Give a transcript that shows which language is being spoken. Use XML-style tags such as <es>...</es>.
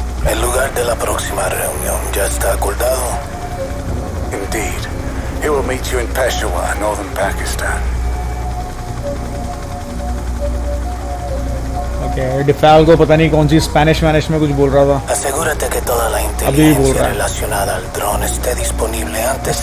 <es>El lugar de la próxima reunión ya está acordado.</es> <en>Indeed. He will meet you in Peshawar, northern Pakistan.</en> <hi>DeFalco पता नहीं कौन सी Spanish manage में कुछ बोल रहा था.</hi> <es>Asegúrate que toda la inteligencia relacionada al dron esté disponible antes</es>